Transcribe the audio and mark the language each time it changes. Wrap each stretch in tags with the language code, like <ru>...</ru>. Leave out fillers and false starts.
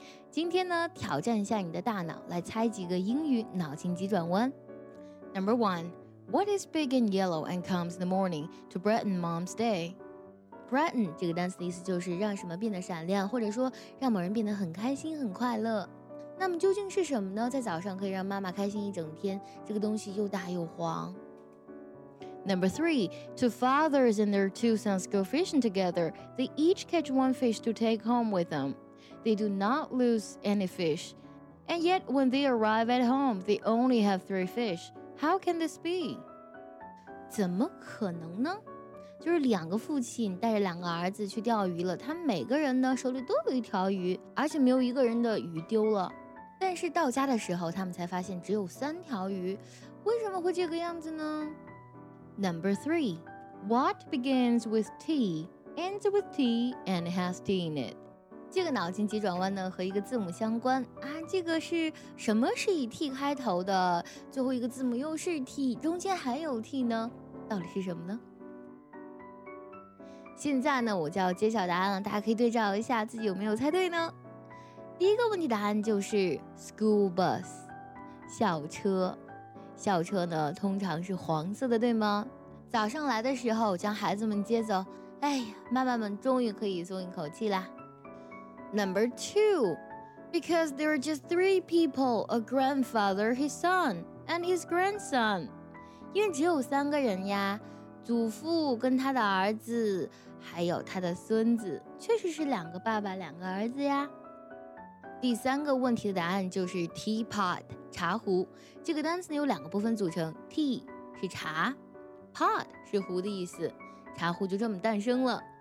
<zh>今天呢，挑战一下你的大脑，来猜几个英语脑筋急转弯。</zh> <en>Number one, what is big and yellow and comes in the morning to brighten mom's day?</en> <zh>Brighten 这个单词的意思就是让什么变得闪亮，或者说让某人变得很开心、很快乐。那么究竟是什么呢？在早上可以让妈妈开心一整天，这个东西又大又黄。</zh> <en>Number three, two fathers and their two sons go fishing together. They each catch one fish to take home with them. They do not lose any fish. And yet, when they arrive at home, they only have three fish. How can this be?</en> <zh>怎么可能呢？就是两个父亲带着两个儿子去钓鱼了，他们每个人呢手里都有一条鱼，而且没有一个人的鱼丢了。但是到家的时候，他们才发现只有三条鱼，为什么会这个样子呢？</zh> <en>Number three, what begins with T, ends with T, and has T in it?</en> <zh>这个脑筋急转弯呢和一个字母相关啊，这个是什么是以 T 开头的，最后一个字母又是 T, 中间还有 T 呢，到底是什么呢？现在呢我就要揭晓答案了，大家可以对照一下自己有没有猜对呢。第一个问题答案就是 school bus, 校车。校车呢通常是黄色的，对吗？早上来的时候将孩子们接走，哎呀，妈妈们终于可以松一口气啦。</zh> <en>Number two, because there are just three people, a grandfather, his son, and his grandson.</en> <zh>因为只有三个人呀，祖父跟他的儿子还有他的孙子，确实是两个爸爸两个儿子呀。第三个问题的答案就是 teapot, 茶壶。这个单词有两个部分组成， tea 是茶， pot 是壶的意思，茶壶就这么诞生了。</zh>